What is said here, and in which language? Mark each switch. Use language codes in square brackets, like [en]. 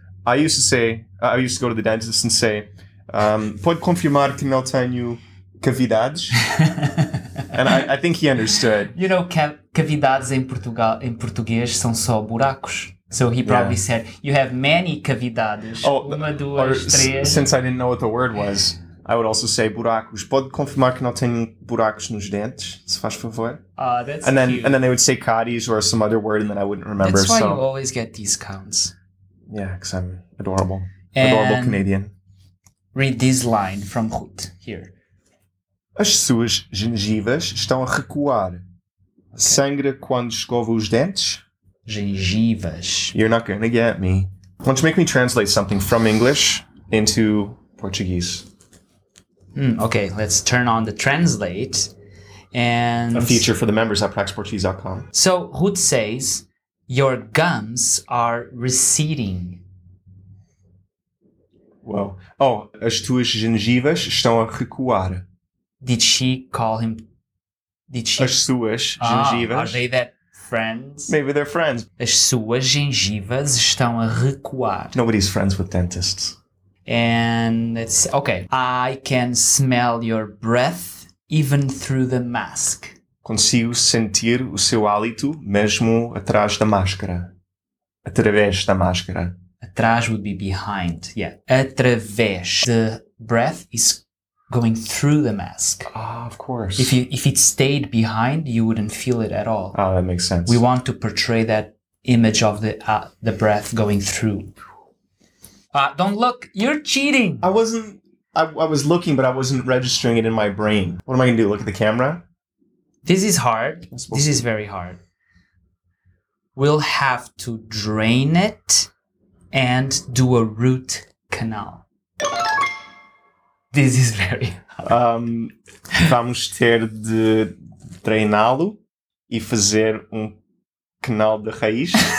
[en] I used to go to the dentist and say, [pt] pode confirmar que não tenho cavidades? [en] And I think he understood. You know, [pt] cavidades em Portugal, em português são só buracos. [en] So he probably said, you have many cavidades. Oh, [pt] uma, duas, três. [en] Since I didn't know what the word was, I would also say buracos. [pt] Pode confirmar que não tenho buracos nos dentes, se faz favor. [en] That's and then cute. And then they would say caries or some other word, and then I wouldn't remember. That's why so. You always get discounts. Yeah, because I'm adorable. Adorable and Canadian. Read this line from Ruth here. [pt] As suas gengivas estão a recuar. [en] Okay. [pt] Sangra quando escova os dentes? Gengivas. [en] You're not going to get me. Why don't you make me translate something from English into Portuguese? Okay, let's turn on the translate. And a feature for the members at practiceportuguese.com. So, Ruth says, your gums are receding. [pt] Whoa. Oh, as tuas gengivas estão a recuar. [en] Did she call him... [pt] As suas gengivas. [en] Are they that friends? Maybe they're friends. [pt] As suas gengivas estão a recuar. [en] Nobody's friends with dentists. And it's... Okay. I can smell your breath even through the mask. [pt] Consigo sentir o seu hálito mesmo atrás da máscara. Através da máscara. [en] Atrás would be behind. Yeah. Através. The breath is going through the mask. Ah, of course. If it stayed behind, you wouldn't feel it at all. Oh, that makes sense. We want to portray that image of the breath going through. Don't look. You're cheating. I was looking, but I wasn't registering it in my brain. What am I going to do? Look at the camera? This is hard. This is very hard. We'll have to drain it and do a root canal. This is very hard. [pt] Vamos ter de drená-lo e fazer canal de raiz.